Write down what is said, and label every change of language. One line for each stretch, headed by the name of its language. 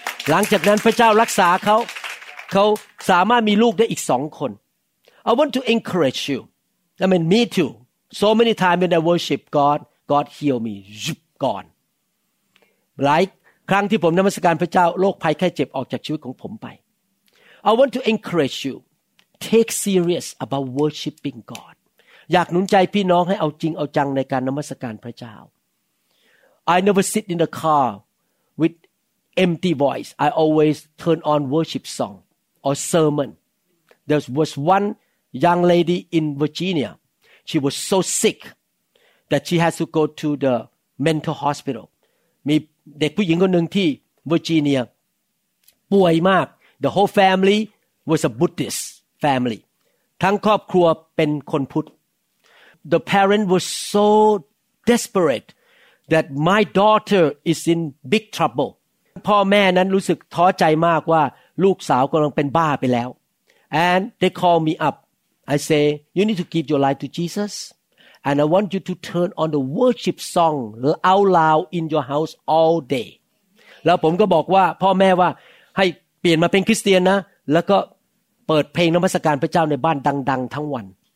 Thai: หลังจากนั้นพระเจ้ารักษาเขาเขาสามารถมีลูกได้อีกสองคน
English: I want to encourage you. I mean, me too. So many times when I worship God, God heal me. Gone.
Thai: หลายครั้งที่ผมนมัสการพระเจ้าโรคภัยแค่เจ็บออกจากชีวิตของผมไป
English: I want to encourage you. Take serious about worshiping God.
Thai: อยากหนุนใจพี่น้องให้เอาจริงเอาจังในการนมัสการพระเจ้า
English: I never sit in the car withEmpty voice. I always turn on worship song or sermon. There was one young lady in Virginia. She was so sick that she had to go to the mental hospital.
Thai: มีเด็กผู้หญิงคนหนึ่งที่ Virginia ป่วยมาก
English: The whole family was a Buddhist family.
Thai: ทั้งครอบครัวเป็นคนพุทธ
English: The parents were so desperate that my daughter is in big trouble.
Thai: พ่อแม่นั้นรู้สึกท้อใจมากว่าลูกสาวกำลังเป็นบ้าไปแล้ว
English: and they call me up I say you need to give your life to Jesus and I want you to turn on the worship song out loud in your house all day
Thai: แล้วผมก็บอกว่าพ่อแม่ว่าให้เปลี่ยนมาเป็นคริสเตียนนะแล้วก็เปิดเพลงนมัสการพระเจ้าในบ้านดังๆทั้งวัน